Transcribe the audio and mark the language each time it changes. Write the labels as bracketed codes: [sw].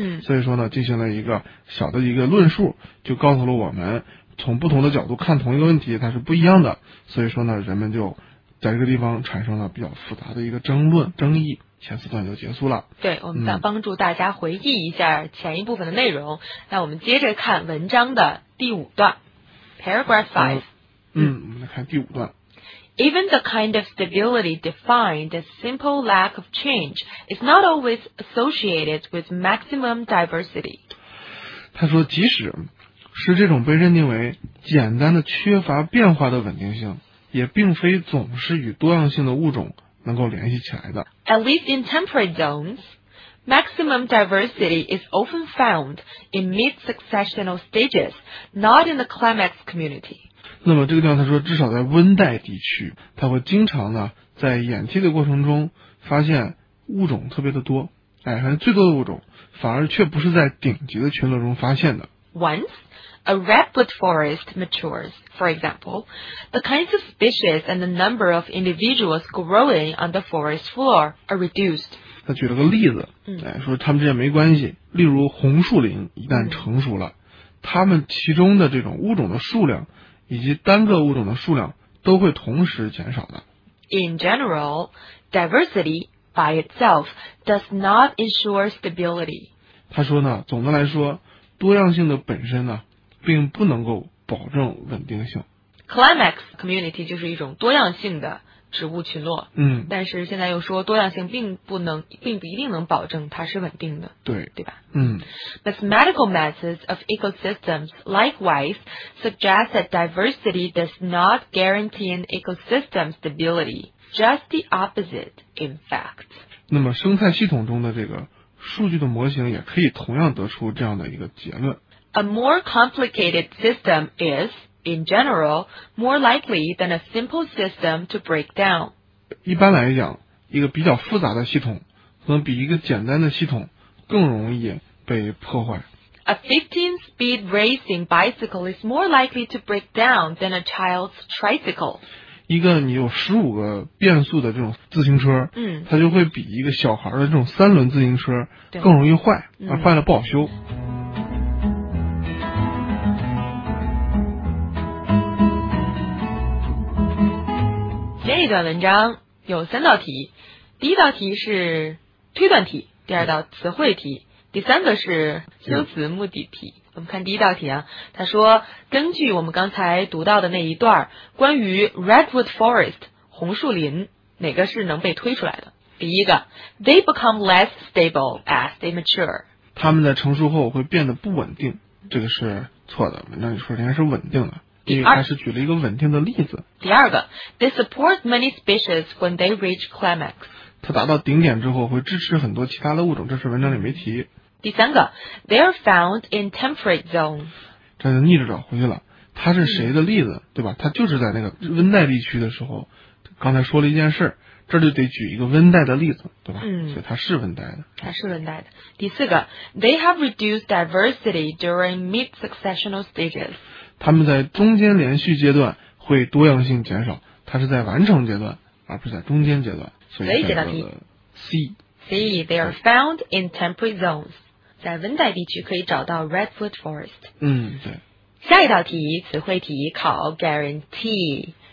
[zh] 所以说呢进行了一个小的一个论述，就告诉了我们从不同的角度看同一个问题它是不一样的，所以说呢人们就在这个地方产生了比较复杂的一个争论争议，前四段就结束了。对，我们想帮助大家回忆一下前一部分的内容。那我们接着看文章的第五段 paragraph 5。我们来看第五段。 [en] Even the kind of stability defined as simple lack of change is not always associated with maximum diversity。 [zh] 他说即使是这种被认定为简单的缺乏变化的稳定性，也并非总是与多样性的物种能够联系起来的。 [en] At least in temperate zones, maximum diversity is often found in mid-successional stages, not in the climax community. [zh] 那么这个地方他说，至少在温带地区，他会经常呢在演替的过程中发现物种特别的多，哎，反正最多的物种反而却不是在顶级的群落中发现的。 [en] Once. A redwood forest matures, for example, the kinds of species and the number of individuals growing on the forest floor are reduced. [zh] 他举了个例子，说他们之间没关系，例如红树林一旦成熟了，他们其中的这种物种的数量以及单个物种的数量都会同时减少的。 [en] In general, diversity by itself does not ensure stability. [zh] 他说呢，总的来说，多样性的本身呢并不能够保证稳定性。 Climax community 就是一种多样性的植物群落。但是现在又说多样性并不一定能保证它是稳定的。对。对吧？ [en] Mathematical methods of ecosystems likewise suggest that diversity does not guarantee an ecosystem stability. Just the opposite, in fact. [zh] 那么生态系统中的这个数据的模型也可以同样得出这样的一个结论。 [en] A more complicated system is, in general, more likely than a simple system to break down. [zh] 一般来讲，一个比较复杂的系统可能比一个简单的系统更容易被破坏。 [en] A 15-speed racing bicycle is more likely to break down than a child's tricycle. [zh] 一个你有15个变速的这种自行车，它就会比一个小孩的这种三轮自行车更容易坏，而坏了不好修。这一段文章有三道题，第一道题是推断题，第二道词汇题，第三个是修辞目的题。我们看第一道题啊，他说根据我们刚才读到的那一段关于 redwood forest 红树林，哪个是能被推出来的？第一个 [en] ，they become less stable as they mature。 [zh] 他们在成熟后会变得不稳定，这个是错的。那你说人家是稳定的？第二，他是举了一个稳定的例子。第二个 [en] ，they support many species when they reach climax。 [zh] 它达到顶点之后会支持很多其他的物种，这是文章里没提。第三个 [en] ，they are found in temperate zone。 [zh] 这就逆着找回去了。它是谁的例子，对吧？它就是在那个温带地区的时候，刚才说了一件事，这就得举一个温带的例子，对吧？嗯，所以它是温带的。它是温带的。第四个 [en] ，they have reduced diversity during mid-successional stages。 [zh] 他们在中间连续阶段会多样性减少，它是在完成阶段，而不是在中间阶段。所以解答题 C。 [en] C, they are found in temperate zones。 [zh] 在温带地区可以找到 redwood forest。嗯，对。下一道题，词汇题考 guarantee。